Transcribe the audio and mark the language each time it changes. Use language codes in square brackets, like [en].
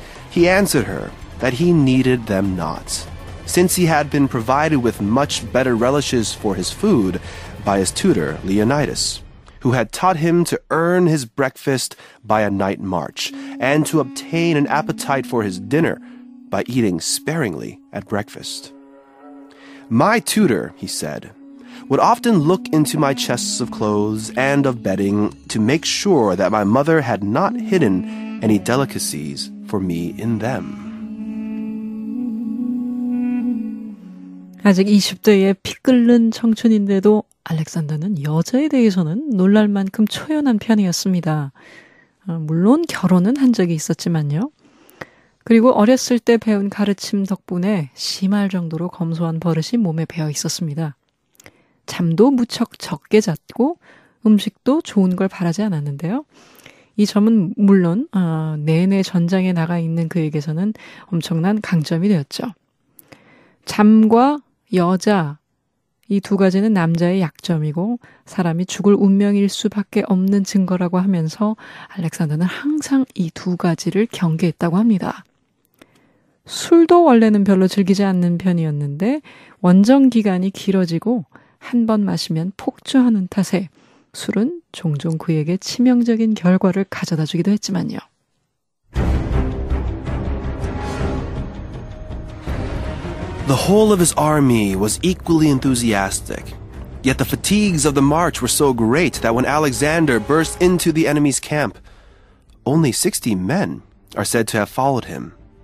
[en] He answered her that he needed them not, since he had been provided with much better relishes for his food by his tutor, Leonidas, who had taught him to earn his breakfast by a night march and to obtain an appetite for his dinner by eating sparingly at breakfast. My tutor, he said, would often look into my chests of clothes and of bedding to make sure that my mother had not hidden any delicacies for me in them. [ko] 아직 20대의 피 끓는 청춘인데도 알렉산더는 여자에 대해서는 놀랄 만큼 초연한 편이었습니다. 물론 결혼은 한 적이 있었지만요. 그리고 어렸을 때 배운 가르침 덕분에 심할 정도로 검소한 버릇이 몸에 배어 있었습니다. 잠도 무척 적게 잤고 음식도 좋은 걸 바라지 않았는데요. 이 점은 물론 내내 전장에 나가 있는 그에게서는 엄청난 강점이 되었죠. 잠과 여자, 이 두 가지는 남자의 약점이고 사람이 죽을 운명일 수밖에 없는 증거라고 하면서 알렉산더는 항상 이 두 가지를 경계했다고 합니다. 술도 원래는 별로 즐기지 않는 편이었는데 원정 기간이 길어지고 한 번 마시면 폭주하는 탓에 술은 종종 그에게 치명적인 결과를 가져다 주기도 했지만요. [en] The whole of his army was equally enthusiastic. Yet the fatigues of the march were so great that when Alexander burst into the enemy's camp, only 60 men are said to have followed him.